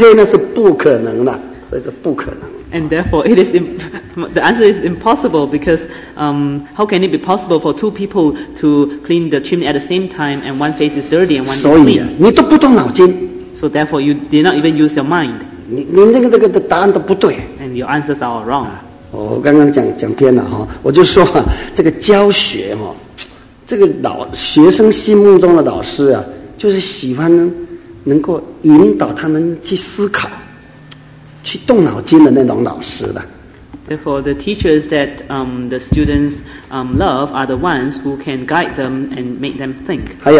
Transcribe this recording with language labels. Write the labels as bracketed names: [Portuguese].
[Chinese] 怎么会两个人去烟囱,两个人一起洗,一个完全白,一个完全黑,那是不可能的,所以是不可能。 [English] And therefore, it is the answer is impossible because how can it be possible for two people to clean the chimney at the same time and one face is dirty and one is clean? [Chinese] 所以,你都不动脑筋。 [English] So therefore, you did not even use your mind. [Chinese] 你那个答案都不对。 [English] And your answers are all wrong. [Chinese] 我刚刚讲偏了,我就说这个教学,这个老学生心目中的老师啊，就是喜欢能够引导他们去思考，去动脑筋的那种老师的。 [English] Therefore, the teachers that the students love are the ones who can guide them and make them think.